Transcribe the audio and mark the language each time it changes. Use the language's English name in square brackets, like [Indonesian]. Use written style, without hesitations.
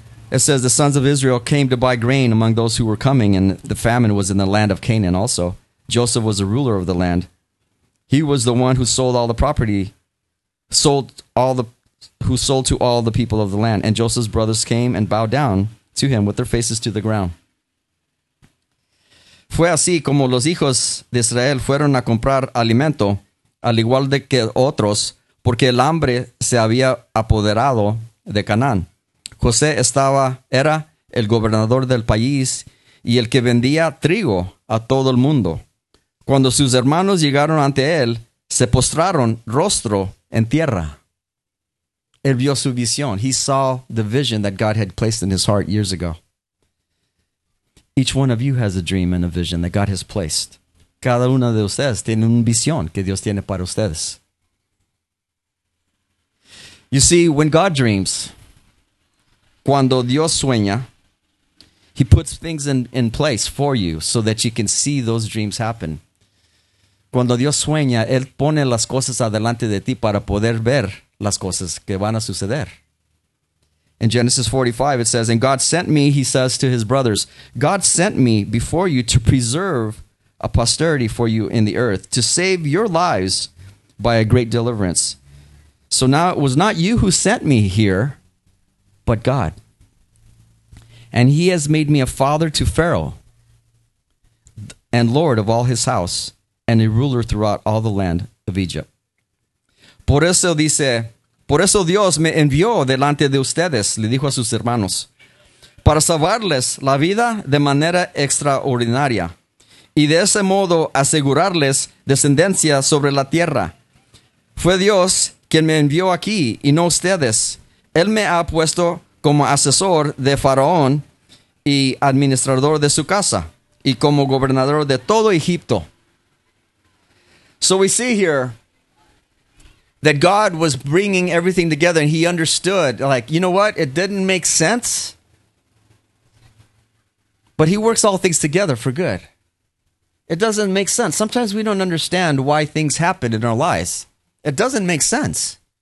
[English] It says the sons of Israel came to buy grain among those who were coming, and the famine was in the land of Canaan also. Joseph was the ruler of the land. He was the one who sold all the property, sold to all the people of the land. And Joseph's brothers came and bowed down to him with their faces to the ground. [Spanish] Fue así como los hijos de Israel fueron a comprar alimento, al igual de que otros, porque el hambre se había apoderado de Canaán. José era el gobernador del país y el que vendía trigo a todo el mundo. Cuando sus hermanos llegaron ante él, se postraron rostro en tierra. Él vio su visión. [English] He saw the vision that God had placed in his heart years ago. Each one of you has a dream and a vision that God has placed. [Spanish] Cada uno de ustedes tiene una visión que Dios tiene para ustedes. [English] You see, when God dreams, [Spanish] cuando Dios sueña, [English] he puts things in place for you so that you can see those dreams happen. [Spanish] Cuando Dios sueña, Él pone las cosas adelante de ti para poder ver las cosas que van a suceder. [English] In Genesis 45, it says, and God sent me, he says to his brothers, God sent me before you to preserve a posterity for you in the earth, to save your lives by a great deliverance. So now it was not you who sent me here, but God. And he has made me a father to Pharaoh and Lord of all his house, and a ruler throughout all the land of Egypt. [Spanish] Por eso dice, por eso Dios me envió delante de ustedes, le dijo a sus hermanos, para salvarles la vida de manera extraordinaria, y de ese modo asegurarles descendencia sobre la tierra. Fue Dios quien me envió aquí, y no ustedes. Él me ha puesto como asesor de Faraón y administrador de su casa, y como gobernador de todo Egipto. [English] So we see here that God was bringing everything together and he understood, like, you know what? It didn't make sense. But he works all things together for good. It doesn't make sense. Sometimes we don't understand why things happen in our lives. It doesn't make sense.